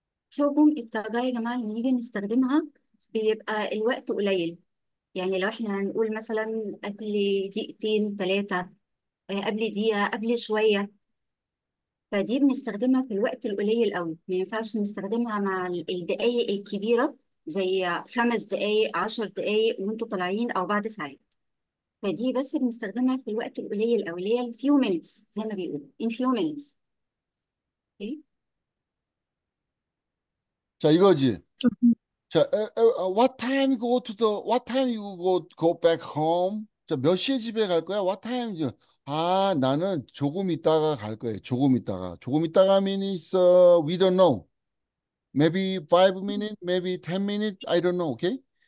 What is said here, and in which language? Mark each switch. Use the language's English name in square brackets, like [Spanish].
[Korean] 조금 있다가 [Arabic] يا جماعة لما نيجي نستخدمها بيبقى الوقت قليل، يعني لو احنا هنقول مثلا قبل دقيقتين ثلاثة، قبل دقيقة، قبل شوية، فدي بنستخدمها في الوقت القليل قوي، ما ينفعش نستخدمها مع الدقايق الكبيرة زي 5 دقايق، 10 دقايق وانتوا طالعين أو بعد ساعات، فدي بس بنستخدمها في الوقت القليل قوي اللي هي الفيو مينتس زي ما بيقولوا [English] in few minutes. Okay. [Korean] 자, 이거지. 자, [English] what time you go to the what time you go back home? [Korean] 자, 몇 시에 집에 갈 거야? [English] What time? [Korean] 아, 나는 조금 있다가 갈 거야. 조금 있다가. 조금 있다가 [English] means we don't know. Maybe 5 minutes, maybe 10 minutes, I don't know, okay?